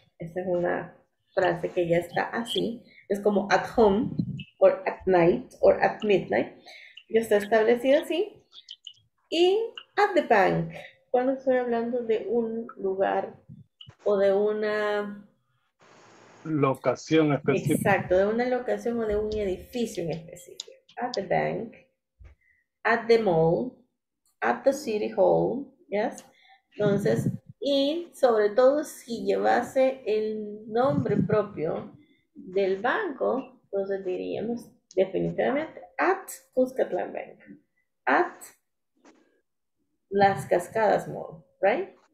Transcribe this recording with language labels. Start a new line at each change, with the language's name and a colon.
Spanish: Esta es una frase que ya está así, es como
English: at home or at night or at midnight.
Spanish: Ya está establecido así. Y
English: at the bank,
Spanish: cuando estoy hablando de un lugar o de una locación específica. Exacto, de una locación o de un edificio en específico.
English: At the bank, at the mall, at the city hall, yes.
Spanish: Entonces, y sobre todo si llevase el nombre propio del banco, entonces diríamos definitivamente
English: at Cuscatlán Bank, at Las Cascadas Mall, right?